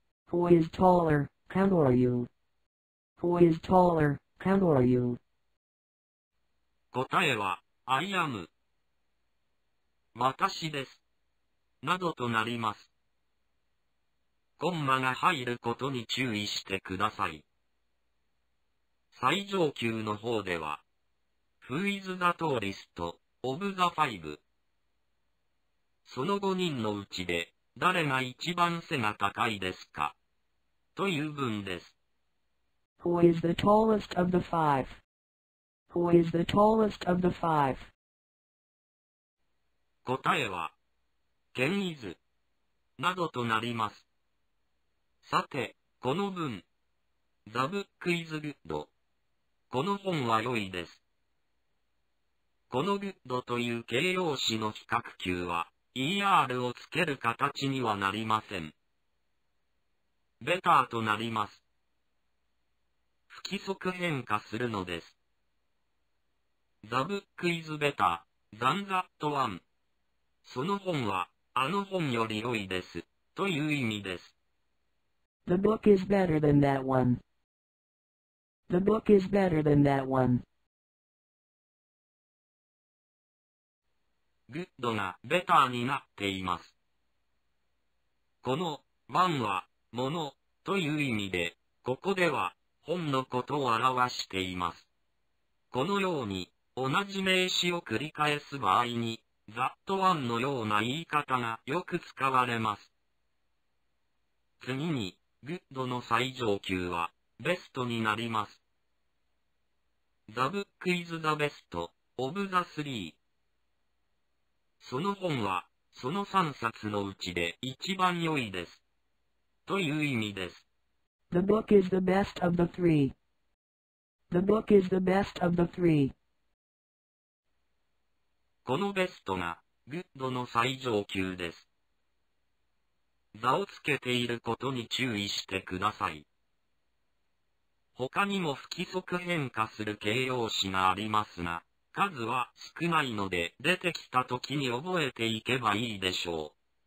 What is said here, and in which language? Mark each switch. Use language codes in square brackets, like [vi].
[en] Who is taller, Ken or you? Who is taller, Ken or you? [ja] 答えは [en] I am [ja] 私です。などとなります。コンマが入ることに注意してください。最上級の方では、 [en] Who is the tallest of the five? [ja] その5人のうちで、誰が一番背が高いですか? という文です。 [en] Who is the tallest of the five? Who is the tallest of the five? [ja] 答えは、ケン・イズ、などとなります。さて、この文、 [en] The book is good. [ja] この本は良いです。この good という形容詞の比較級は、er をつける形にはなりません。ベターとなります。不規則変化するのです。 [en] The book is better than that one. [ja] その本は、あの本より良いです、という意味です。 [en] The book is better than that one. The book is better than that one. [ja] Good がベターになっています。この、one は、もの、という意味で、ここでは、本のことを表しています。このように、同じ名詞を繰り返す場合に、that one のような言い方がよく使われます。次に、good の最上級は、best になります。 [en] The book is the best of the three. [ja] その本は、その3冊のうちで一番良いです。という意味です。 [en] The book is the best of the three. The book is the best of the three. [ja] このベストが、グッドの最上級です。座をつけていることに注意してください。他にも不規則変化する形容詞がありますが、数は少ないので出てきた時に覚えていけばいいでしょう。